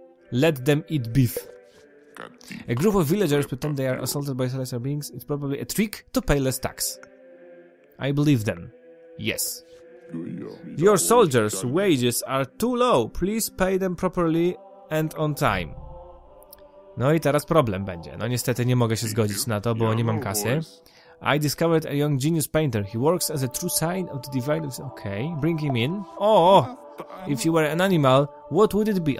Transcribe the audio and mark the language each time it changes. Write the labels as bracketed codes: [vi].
[en] Let them eat beef. A group of villagers pretend they are assaulted by celestial beings. It's probably a trick to pay less tax. I believe them. Yes. Your soldiers' wages are too low. Please pay them properly and on time. [pl] No i teraz problem będzie. No niestety nie mogę się zgodzić na to, bo nie mam kasy. [en] I discovered a young genius painter. He works as a true sign of the divine. Okay, bring him in. Oh, if you were an animal, what would it be?